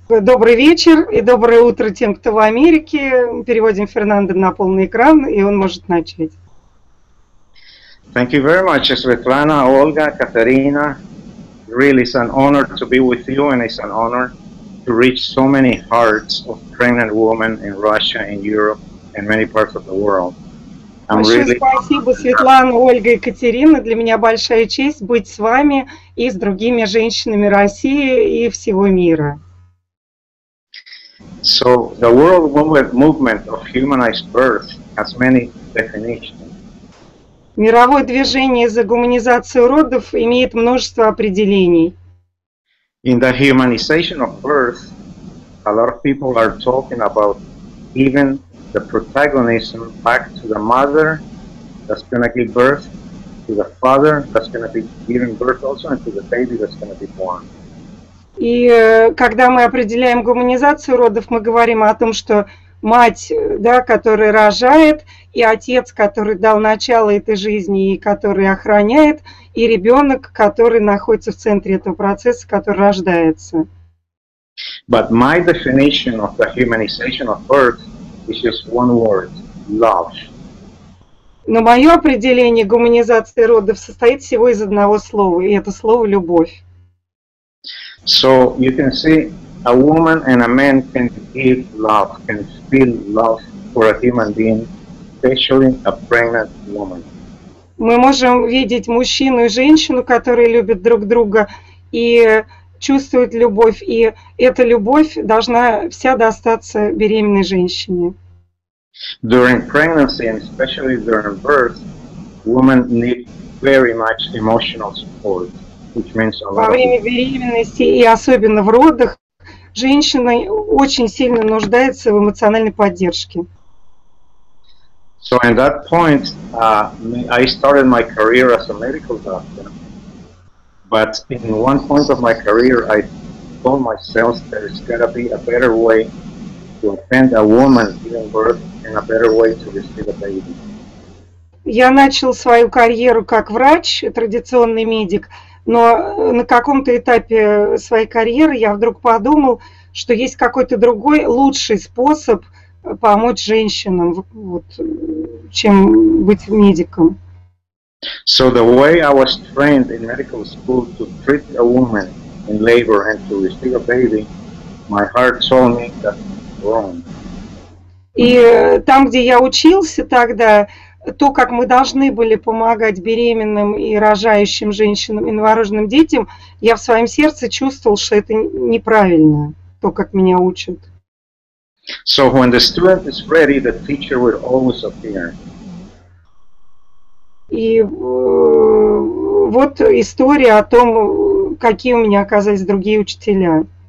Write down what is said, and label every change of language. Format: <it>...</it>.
<ru>Добрый вечер и доброе утро тем, кто в Америке. Переводим Фернандо на полный экран, и он может начать.</ru> <en>Thank you very much, Светлана, Ольга, Катерина. Really, it's an honor to be with you, and it's an honor to reach so many hearts of pregnant women in Russia, in Europe, and many parts of the world.</en> <ru>Спасибо, Светлана, Ольга и Катерина. Для меня большая честь быть с вами и с другими женщинами России и всего мира.</ru> <en>So the world movement of humanized birth has many definitions.</en> <ru>Мировое движение за гуманизацию родов имеет множество определений.</ru> <en>In the humanization of birth, a lot of people are talking about even the protagonism back to the mother that's going to give birth, to the father that's going to be giving birth also, and to the baby that's going to be born.</en> <ru>И когда мы определяем гуманизацию родов, мы говорим о том, что мать, да, которая рожает, и отец, который дал начало этой жизни и который охраняет, и ребенок, который находится в центре этого процесса, который рождается.</ru> <en>But my definition of the humanization of birth is just one word – love.</en> <ru>Но мое определение гуманизации родов состоит всего из одного слова, и это слово – любовь.</ru> <en>So you can see a woman and a man can give love, can feel love for a human being, especially a pregnant woman.</en> <ru>Мы можем видеть мужчину и женщину, которые любят друг друга и чувствуют любовь, и эта любовь должна вся достаться беременной женщине.</ru> <en>During pregnancy and especially during birth, women need very much emotional support, which means a lot.</en> <ru>Во время беременности и особенно в родах женщина очень сильно нуждается в эмоциональной поддержке.</ru> <en>So at that point, I started my career as a medical doctor. But in one point of my career, I told myself there's got to be a better way to attend a woman giving birth and a better way to receive a baby.</en> <ru>Я начал свою карьеру как врач, традиционный медик, но на каком-то этапе своей карьеры я вдруг подумал, что есть какой-то другой лучший способ помочь женщинам, вот, чем быть медиком.</ru> <en>So the way I was trained in medical school to treat a woman in labor and to receive a baby, my heart told me that's wrong.</en> <ru>И там, где я учился тогда, то, как мы должны были помогать беременным и рожающим женщинам и новорожденным детям, я в своем сердце чувствовал, что это неправильно, то, как меня учат.</ru> <en>So when the student is ready, the teacher will always appear.</en> <ru>И вот история о том, какие у меня оказались другие учителя.</ru>